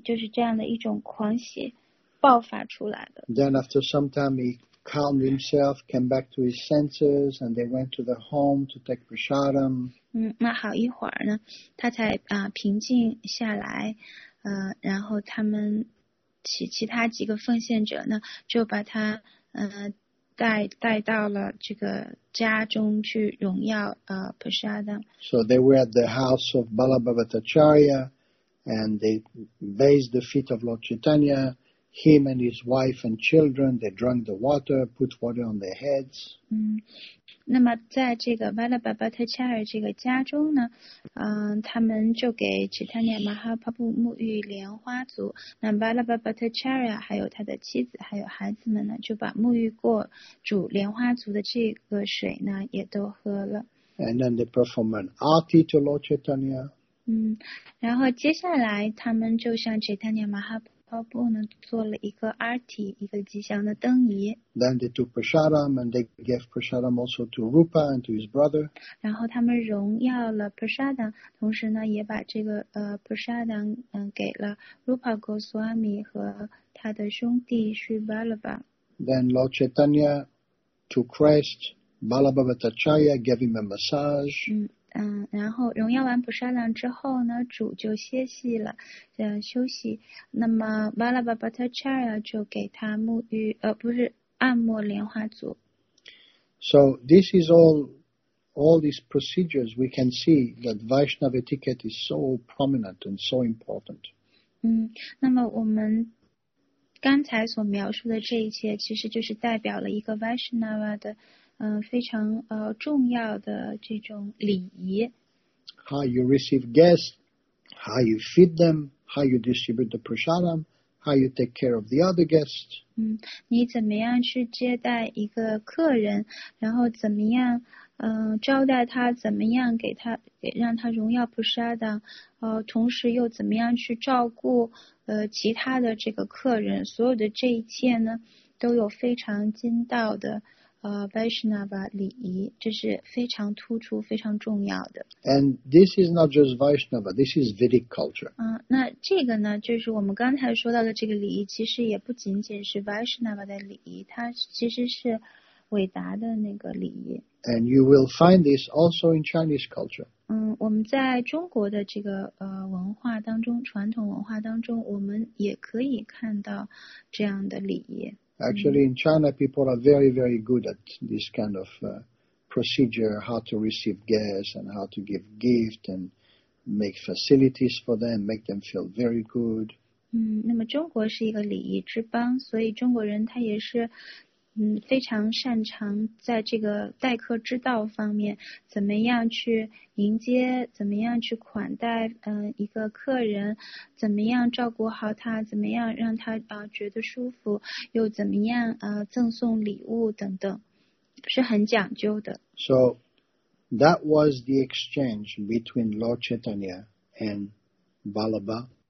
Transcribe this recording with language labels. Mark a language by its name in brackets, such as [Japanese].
[Chinese] 就是这样的一种狂喜爆发出来的。 [English] Then after some time, he calmed himself, came back to his senses, and they went to the home to take prasadam. [Chinese] 那好一会儿呢，他才平静下来，然后他们其他几个奉献者呢，就把他带到了这个家中去荣耀prasadam. [English] So they were at the house of Balabhavatacharya, and they bathed the feet of Lord Chaitanya. Him and his wife and children, they drank the water, put water on their heads. [Chinese] 那么在这个瓦拉巴巴特恰尔这个家中呢，他们就给齐塔尼亚马哈帕布沐浴莲花足。那瓦拉巴巴特恰尔还有他的妻子还有孩子们呢，就把沐浴过煮莲花足的这个水呢，也都喝了。 [English] And then they perform an arti to Lord Chaitanya. [Chinese] 然后接下来他们就向齐塔尼亚马哈帕包布呢做了一个 arti 一个吉祥的灯仪。 [English] Then they took prasadam and they gave prasadam also to Rupa and to his brother. [Chinese] 然后他们荣耀了 prasadam， 同时呢也把这个prasadam 给了 Rupa Goswami 和他的兄弟 Sri Balabha。 [English] Then Lord Chaitanya took rest. Balabhavatacharya gave him a massage. [Chinese] 然后荣耀完普沙朗之后呢，主就歇息了，休息。那么瓦拉巴巴特恰尔就给他沐浴，不是按摩莲花足。 [English] So this is all these procedures. We can see that Vaishnava etiquette is so prominent and so important. [Chinese] 那么我们刚才所描述的这一切，其实就是代表了一个 Vaishnava 的。非常重要的这种礼仪。 [English] How you receive guests, how you feed them, how you distribute the prasadam, how you take care of the other guests. [Chinese] 你怎么样去接待一个客人，然后怎么样招待他，怎么样给他让他荣耀prasadam，同时又怎么样去照顾其他的这个客人，所有的这一切呢，都有非常精到的。 Vaishnava 礼仪，这是非常突出、非常重要的。 [English] And this is not just Vaishnava, this is Vedic culture. [Chinese] 那这个呢，就是我们刚才说到的这个礼仪，其实也不仅仅是 Vaishnava 的礼仪，它其实是伟达的那个礼仪。 [English] And you will find this also in Chinese culture. [Chinese] 我们在中国的这个文化当中，传统文化当中，我们也可以看到这样的礼仪。 [English] Actually, in China, people are very, very good at this kind of procedure, how to receive guests and how to give gifts and make facilities for them, make them feel very good. [Chinese] 那么中国是一个礼仪之邦，所以中国人他也是非常擅长在这个待客之道方面，怎么样去迎接，怎么样去款待一个客人，怎么样照顾好他，怎么样让他觉得舒服，又怎么样赠送礼物等等，是很讲究的。 [English] So that was the exchange between Lord Chaitanya and Balabha.